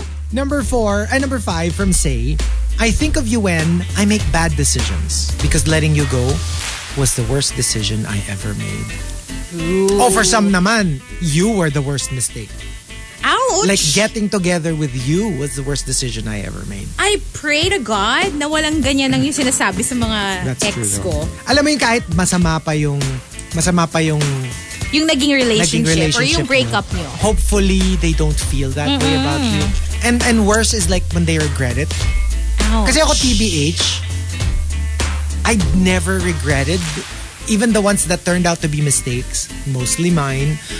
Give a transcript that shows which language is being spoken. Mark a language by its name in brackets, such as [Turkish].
[English] Number 4, and number 5 from Say, I think of you when I make bad decisions because letting you go was the worst decision I ever made. Ooh. Oh, for some naman, you were the worst mistake. Ouch! Like, getting together with you was the worst decision I ever made. I pray to God [Filipino] na walang ganyan ang yung sinasabi sa mga [English] that's ex true, [Filipino] ko. Alam mo yung kahit masama pa yung masama pa yung... Yung naging relationship. Or yung breakup nyo. [English] Hopefully, they don't feel that mm-hmm. way about you. And worse is like when they regret it. Ouch. [Filipino] Kasi ako [English] TBH, I never regretted even the ones that turned out to be mistakes, mostly mine.